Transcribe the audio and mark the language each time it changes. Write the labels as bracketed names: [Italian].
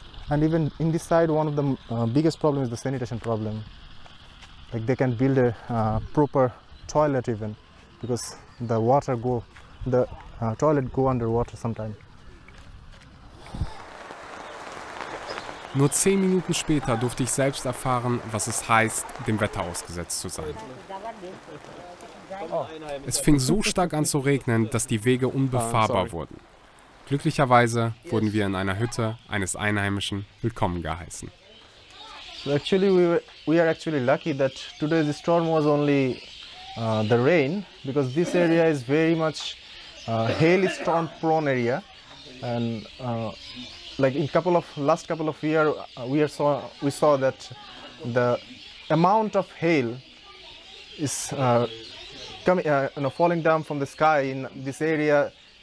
[English] And even in this side, one of the biggest problems is the sanitation problem. Like they can build a proper toilet even, because the water go, the toilet go underwater sometimes. [German] Nur 10 Minuten später durfte ich selbst erfahren, was es heißt, dem Wetter ausgesetzt zu sein. Es fing so stark an zu regnen, dass die Wege unbefahrbar wurden. Glücklicherweise wurden wir in einer Hütte eines Einheimischen willkommen geheißen. [English] So actually we are actually lucky that today the storm was only the rain, because this area is very much hail storm prone area. And like in last couple of years, we saw that the amount of hail is coming, you know, falling down from the sky in this area.